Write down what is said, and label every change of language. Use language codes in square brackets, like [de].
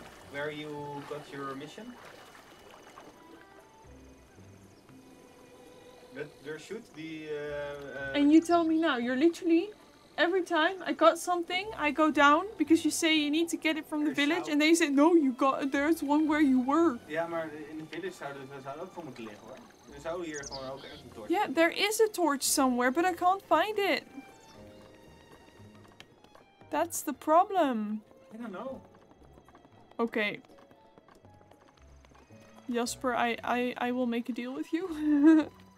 [en] Where you got your mission. But there should be... And you tell me now, you're literally... Every time I got something, I go down because you say you need to get it from the village, and they say, no, you got it. There's one where you were. [nl] Yeah, maar [en] in the village [nl] zouden ze ook voor moeten liggen hoor. Er zou hier gewoon ook echt een torch. [en] Yeah, there is a torch somewhere, but I can't find it. That's the problem. I don't know. Okay. Jasper, I will make a deal with you.